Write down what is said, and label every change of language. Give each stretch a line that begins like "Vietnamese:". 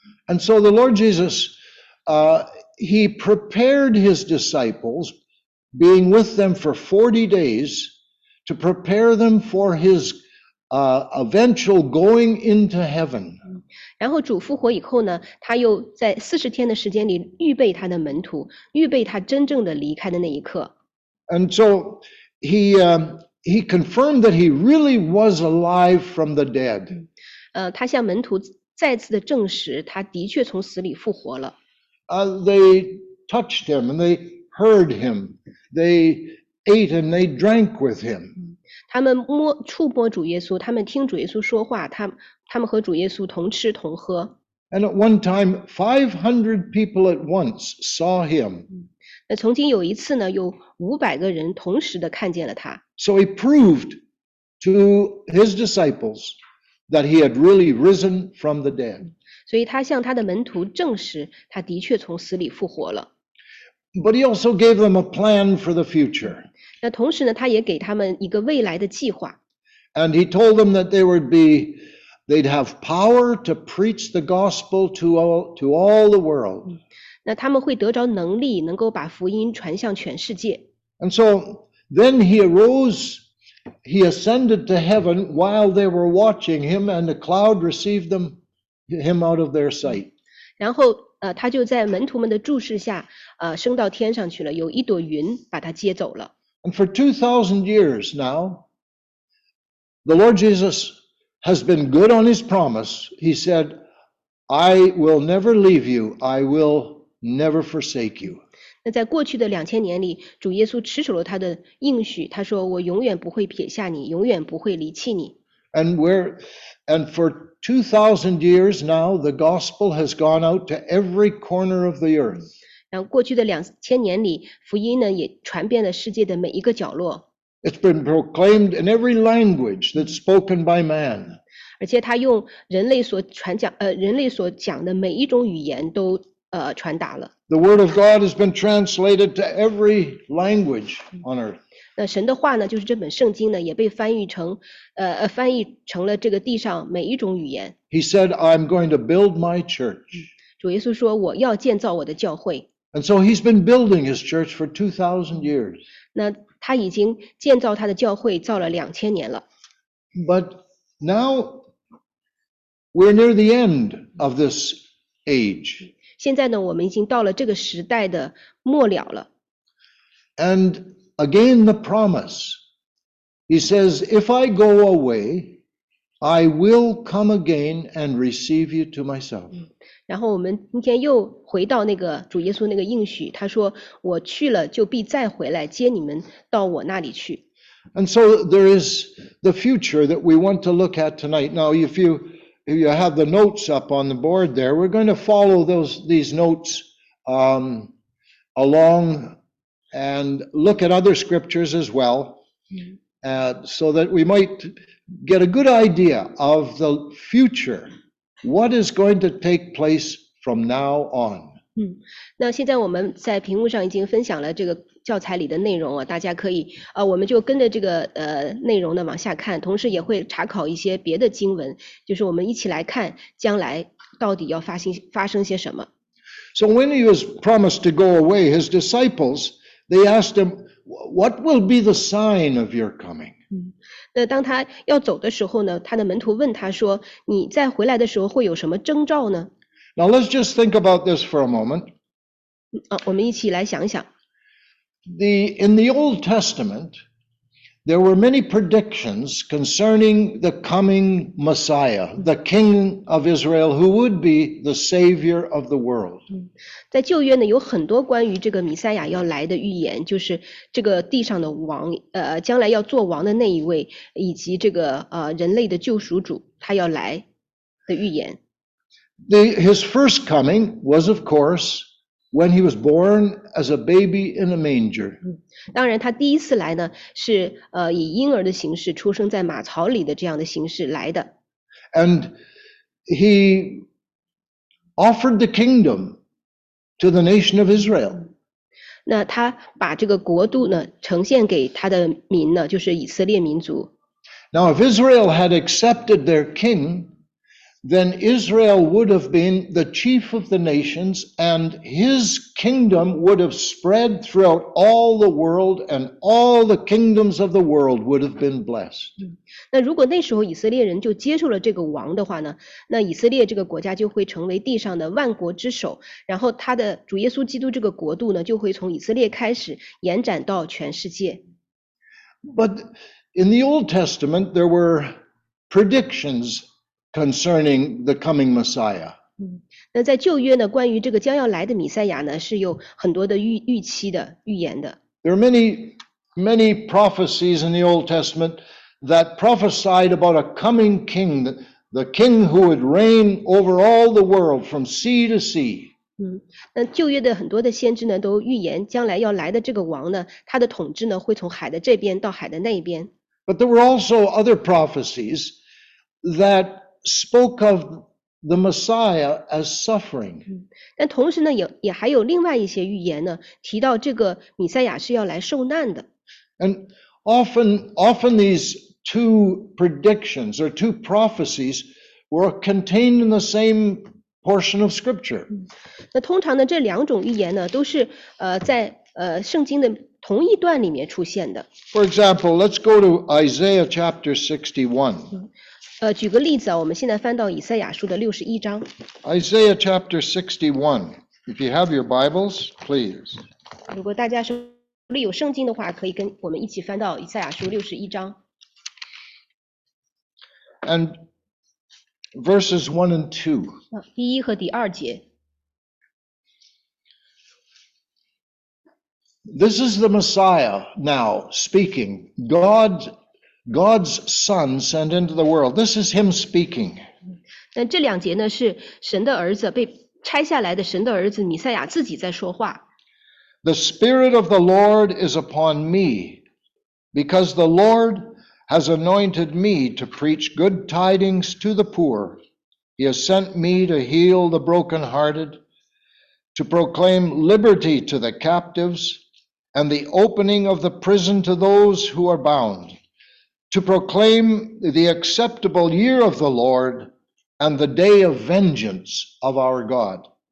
English: And so the Lord Jesus, he prepared his disciples. Being with them for 40 days to prepare them for his eventual going into heaven.
Chinese: 然后主复活以后呢，他又在40天的时间里预备他的门徒，预备他真正的离开的那一刻。
English: And so he confirmed that he really was alive from the dead.
Chinese: 他向门徒再次的证实，他的确从死里复活了。
English: They touched him and they heard him, they ate and they drank with him.
Chinese: 他们触摸主耶稣，他们听主耶稣说话，他们和主耶稣同吃同喝。
English: And at one time, 500 people at once saw him.
Chinese: 那曾经有一次呢，有500个人同时的看见了他。
English: So he proved to his disciples that he had really risen from the dead.
Chinese: 所以他向他的门徒证实，他的确从死里复活了。
English: But he also gave them a plan for the future.
Chinese: 那同时呢，他也给他们一个未来的计划。
English: And he told them that they'd have power to preach the gospel to all the world.
Chinese: 那他们会得着能力，能够把福音传向全世界。
English: And so then he arose, he ascended to heaven while they were watching him, and the cloud received him out of their sight.
Chinese: 然后他就在门徒们的注视下升到天上去了，有一朵云把他接走了。
English: And for 2,000 years now, the Lord Jesus has been good on his promise. He said, I will never leave you, I will never forsake you.
Chinese: 那在过去的2000年里，主耶稣持守了他的应许，他说我永远不会撇下你，永远不会离弃你。
English: And for 2,000 years now, the gospel has gone out to every corner of the earth.
Chinese: 然后过去的2000年里，福音呢也传遍了世界的每一个角落。
English: It's been proclaimed in every language that's spoken by man.
Chinese: 而且他用人类所传讲人类所讲的每一种语言都传达了。
English: The word of God has been translated to every language on earth.
Chinese: 那神的话呢，就是这本圣经呢，也被翻译成翻译成了这个地上每一种语言。
English: He said, "I'm going to build my church."
Chinese: 主耶稣说，我要建造我的教会。
English: And so he's been building his church for 2,000 years.
Chinese: 那他已经建造他的教会造了2000年了。
English: But now we're near the end of this age.
Chinese: 现在呢，我们已经到了这个时代的末了了。
English: And again the promise. He says, if I go away, I will come again and receive you to myself.
Chinese: 然后我们今天又回到那个主耶稣那个应许，他说我去了就必再回来接你们到我那里去。
English: And so there is the future that we want to look at tonight. Now, if you have the notes up on the board there, we're going to follow these notes along and look at other scriptures as well, so that we might get a good idea of the future. What is going to take place from now on?
Chinese: 那现在我们在屏幕上已经分享了这个教材里的内容了，大家可以我们就跟着这个内容呢往下看，同时也会查考一些别的经文，就是我们一起来看将来到底要发生些什么。
English: So when he was promised to go away, his disciples, they asked him, "What will be the sign of your coming?"
Chinese: 那当他要走的时候呢，他的门徒问他说，你再回来的时候会有什么征兆呢？
English: Now let's just think about this for a moment.
Chinese: 我们一起来想想。
English: In the Old Testament, there were many predictions concerning the coming Messiah, the King of Israel, who would be the Savior of the world.
Chinese: 在旧约呢，有很多关于这个弥赛亚要来的预言，就是这个地上的王，将来要做王的那一位，以及这个人类的救赎主，他要来的预言。
English: His first coming was, of course,when he was born as a baby in a manger.
Chinese: 当然他第一次来呢是以婴儿的形式出生在马槽里的这样的形式来的。
English: And he offered the kingdom to the nation of Israel.
Chinese: 那他把这个国度呢呈现给他的民呢，就是以色列民族。
English: Now if Israel had accepted their king,then Israel would have been the chief of the nations, and his kingdom would have spread throughout all the world, and all the kingdoms of the world would have been blessed.
Chinese: 那如果那时候以色列人就接受了这个王的话呢，那以色列这个国家就会成为地上的万国之首，然后他的主耶稣基督这个国度呢，就会从以色列开始延展到全世界。
English: But in the Old Testament, there were predictions. Concerning the coming Messiah.
Chinese: 那在旧约呢，关于这个将要来的弥赛亚呢，是有很多的预期的预言的。
English: There are many, many prophecies in the Old Testament that prophesied about a coming king, the king who would reign over all the world from sea to sea.
Chinese: 那旧约的很多的先知呢，都预言将来要来的这个王呢，他的统治呢，会从海的这边到海的那边。
English: But there were also other prophecies that. Spoke of the Messiah as suffering.
Chinese: 但同时呢，也还有另外一些预言呢，提到这个弥赛亚是要来受难的。
English: And often these two predictions or two prophecies were contained in the same portion of Scripture.
Chinese: 那通常呢，这两种预言呢，都是在圣经的同一段里面出现的。
English: For example, let's go to Isaiah chapter 61.
Chinese: 举个例子啊，我们现在翻到以赛亚书的61章。
English: Isaiah chapter 61. If you have your Bibles, please.
Chinese: 如果大家手里有圣经的话，可以跟我们一起翻到以赛亚书61章。
English: And verses 1 and 2.
Chinese: 第一和第二节。
English: This is the Messiah now speaking. God's Son sent into the world. This is Him speaking.
Chinese: 那这两节呢是神的儿子被拆下来的神的儿子弥赛亚自己在说话。
English: The Spirit of the Lord is upon me, because the Lord has anointed me to preach good tidings to the poor. He has sent me to heal the brokenhearted, to proclaim liberty to the captives, and the opening of the prison to those who are bound, to proclaim the acceptable year of the Lord and the day of vengeance of our God.